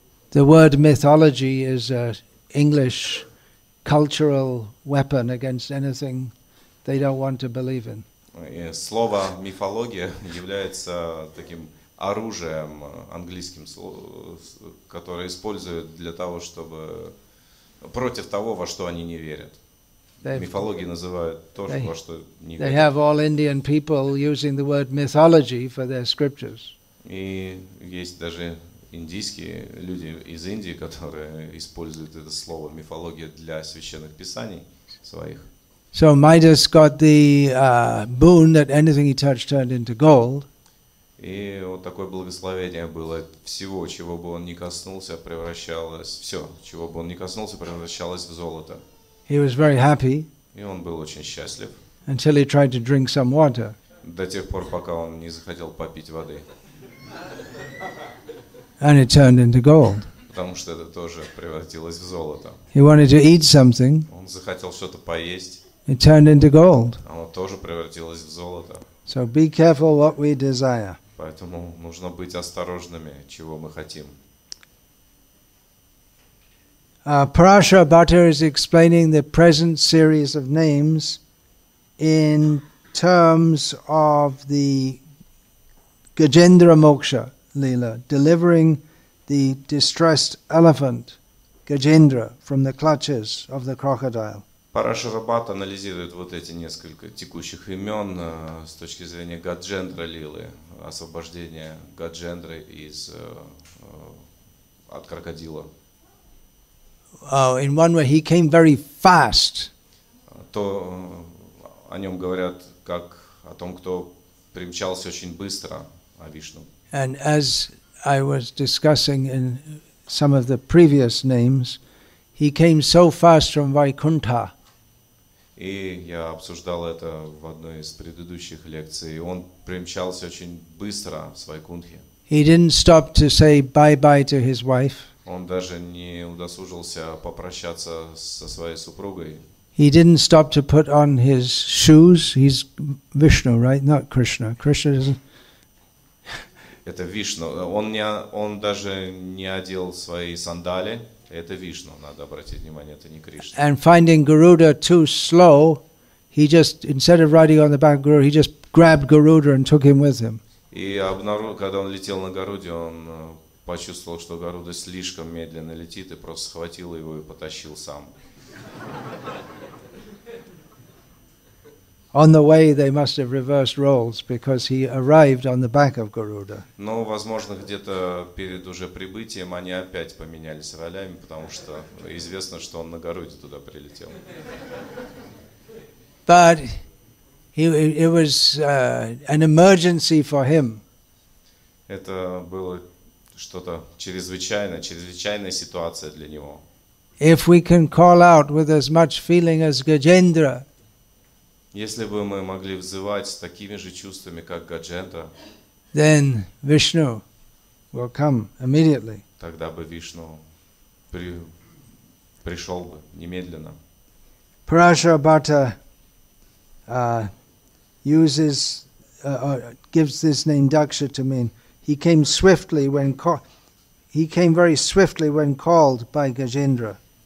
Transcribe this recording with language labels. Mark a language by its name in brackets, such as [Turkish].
[English] The word mythology is an English cultural weapon against anything they don't want to believe in. [Russian] Слово мифология является таким оружием английским, которое используют для того, чтобы против того, во что они не верят. Мифологии называют то, во что не верят. [English] They have all Indian people using the word mythology for their scriptures. [Russian] И есть даже индийские люди из Индии, которые используют это слово мифология для священных писаний своих. [English] So Midas got the boon that anything he touched turned into gold. [Russian] И вот такое благословение было, всего, чего бы он ни коснулся, превращалось, все, чего бы он ни коснулся, превращалось в золото. [English] He was very happy. [Russian] И он был очень счастлив. [English] Until he tried to drink some water. [Russian] До тех пор, пока он не захотел попить воды. [English] And it turned into gold. [Russian] Потому что это тоже превратилось в золото. [English] He wanted to eat something. [Russian] Он захотел что-то поесть. [English] It turned into gold. [Russian] Оно тоже превратилось в золото. [English] So be careful what we desire. [Russian] Поэтому нужно быть осторожными, чего мы хотим. [English] Parashar Bhatta is explaining the present series of names in terms of the Gajendra Moksha Lila, delivering the distressed elephant Gajendra from the clutches of the crocodile. [Russian] Парашара Бхатта анализирует вот эти несколько текущих имен с точки зрения Гаджендра Лилы, освобождения Гаджендры из от крокодила. [English] In one way, he came very fast. [Russian] То о нем говорят как о том, кто примчался очень быстро, о Вишну. [English] And as I was discussing in some of the previous names, he came so fast from Vaikuntha. [Russian] И я обсуждал это в одной из предыдущих лекций. Он примчался очень быстро с Вайкунтхи. [English] He didn't stop to say bye-bye to his wife. [Russian] Он даже не удосужился попрощаться со своей супругой. [English] He didn't stop to put on his shoes. He's Vishnu, right? Not Krishna. Krishna isn't. [Russian] Это Вишну. Он даже не одел свои сандали. Это Вишну, надо обратить внимание, это не Кришна. [English] And finding Garuda too slow, he just, instead of riding on the back of Garuda, he just grabbed Garuda and took him with him. [Russian] И когда он летел на Гаруде, он почувствовал, что Гаруда слишком медленно летит, и просто схватил его и потащил сам. [English] On the way they must have reversed roles because he arrived on the back of Garuda. [Russian] Но, возможно, где-то перед уже прибытием они опять поменялись ролями, потому что известно, что он на Гаруде туда прилетел. [English] But it was an emergency for him. [Russian] Это было что-то чрезвычайное, чрезвычайная ситуация для него. [English] If we can call out with as much feeling as Gajendra, [Russian] если бы мы могли взывать с такими же чувствами, как Гаджендра, [English] then Vishnu will come immediately. [Russian] Тогда бы Вишну пришел бы немедленно. [English] Parashurabhata uses gives this name Daksha to mean he came swiftly when called by Gajendra.